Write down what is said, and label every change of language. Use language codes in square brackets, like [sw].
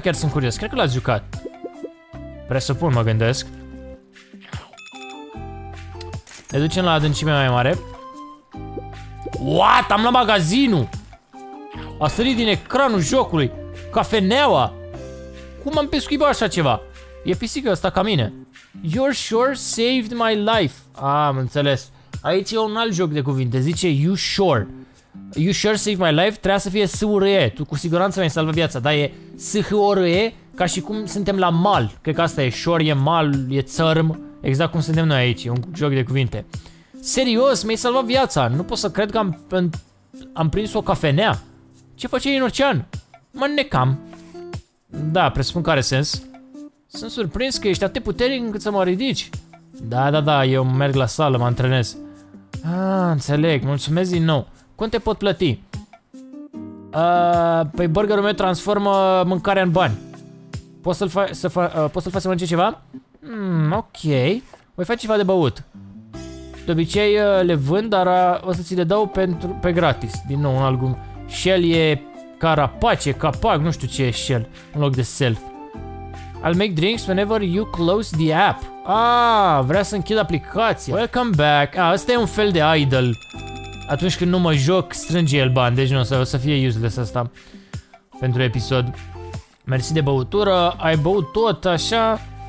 [ro] Chiar sunt curios. Cred că l-ați jucat. Presupun, mă gândesc. Ne ducem la adâncimea mai mare. [en] What? [ro] Am la magazinul! A sărit din ecranul jocului. Cafeneaua. Cum am pescuit așa ceva? E pisica asta ca mine. [en] You're sure saved my life. [ro] Ah, am înțeles. Aici e un alt joc de cuvinte. Zice [en] you sure. You sure saved my life? [ro] Trebuia să fie S-U-R-E. Tu cu siguranță mi-ai salvat viața. Dar e S-H-O-R-E. Ca și cum suntem la mal. Cred că asta e. Sure e mal, e țărm. Exact cum suntem noi aici. E un joc de cuvinte. Serios, mi-ai salvat viața. Nu pot să cred că am prins o cafenea. Ce făceai în ocean? Mă necam. Da, presupun că are sens. Sunt surprins că ești atât puternic încât să mă ridici. Da, da, da, eu merg la sală, mă antrenez. Ah, înțeleg, mulțumesc din nou. Cum te pot plăti? Păi burgerul meu transformă mâncarea în bani. Poți să-l faci să mănânce ceva? Ok. Voi face ceva de băut. De obicei le vând, dar o să ți le dau pe gratis. Din nou, un album. Shell e carapace, capac, nu știu ce e shell în loc de self. [en] I'll make drinks whenever you close the app. [ro] Ah, vrea să închid aplicația. [en] Welcome back. [ro] Ah, ăsta e un fel de idol. Atunci când nu mă joc, strânge el bani. Deci nu, o să fie useless asta pentru episod. Mersi de băutură. Ai băut tot, așa.